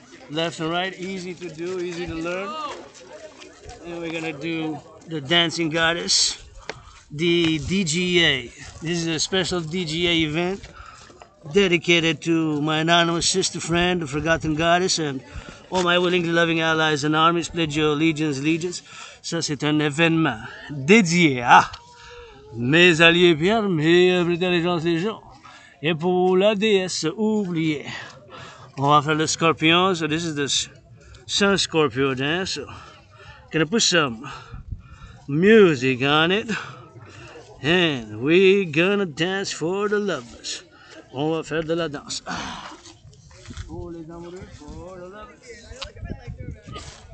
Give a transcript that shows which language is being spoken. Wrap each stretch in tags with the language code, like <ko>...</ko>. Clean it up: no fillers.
<en>Left and right, easy to do, easy to learn. And we're gonna do the Dancing Goddess, the DGA. This is a special DGA event dedicated to my anonymous sister friend, the Forgotten Goddess, and all my willingly loving allies and armies, pledge your allegiance, legions.</en> <fr>Ça, c'est un événement dédié à mes alliés Pierre, mes œuvres d'allégeance des gens. Et pour la déesse oubliée, on va faire le scorpion.</fr> <en>So this is the Sun Scorpio dance. So gonna put some music on it, and we gonna dance for the lovers.</en> <fr>On va faire de la danse. Oh, les amoureux,</fr> <en>for the lovers.</en>